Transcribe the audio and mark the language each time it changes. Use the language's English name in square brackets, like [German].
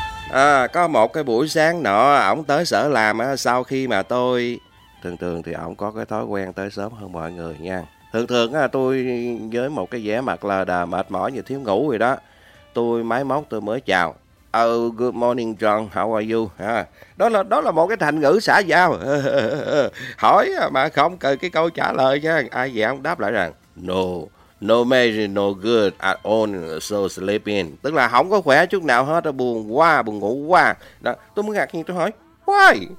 [Vietnamese] À, có một cái buổi sáng nọ ổng tới sở làm á, sau khi mà tôi thường thường thì ổng có cái thói quen tới sớm hơn mọi người nha. Thường thường á, tôi với một cái vẻ mặt lờ đờ mệt mỏi như thiếu ngủ rồi đó, tôi máy móc tôi mới chào. [English] Oh, good morning John, how are you? [Vietnamese] À, đó là một cái thành ngữ xã giao. Hỏi mà không cần cái câu trả lời nha. Ai vậy ổng đáp lại rằng [English] No good at all, so sleeping. [Vietnamese] Tức là không có khỏe chút nào hết, buồn quá, buồn ngủ quá. Đó, tôi mới ngạc nhiên, tôi hỏi, [English] why?